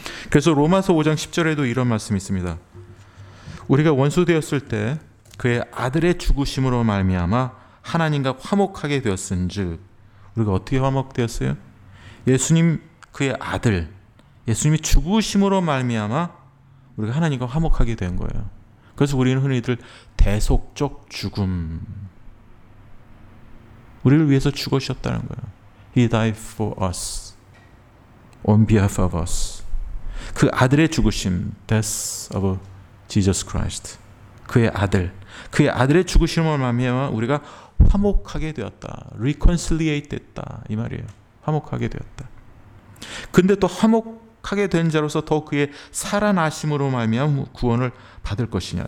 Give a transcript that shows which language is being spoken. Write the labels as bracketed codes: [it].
[ko] 그래서 로마서 5장 10절에도 이런 말씀이 있습니다. 우리가 원수 되었을 때 그의 아들의 죽으심으로 말미암아 하나님과 화목하게 되었은즉, 우리가 어떻게 화목되었어요? 예수님 그의 아들, 예수님이 죽으심으로 말미암아 우리가 하나님과 화목하게 된 거예요. 그래서 우리는 흔히들 대속적 죽음, 우리를 위해서 죽으셨다는 거예요. [en] He died for us, on behalf of us. [ko] 그 아들의 죽으심, [en] death of Jesus Christ, [ko] 그의 아들, 그의 아들의 죽으심을 말미암아 우리가 화목하게 되었다, reconciliate 됐다, 이 말이에요. 화목하게 되었다. 근데 또 화목하게 된 자로서 더 그의 살아나심으로 말미암아 구원을 받을 것이냐.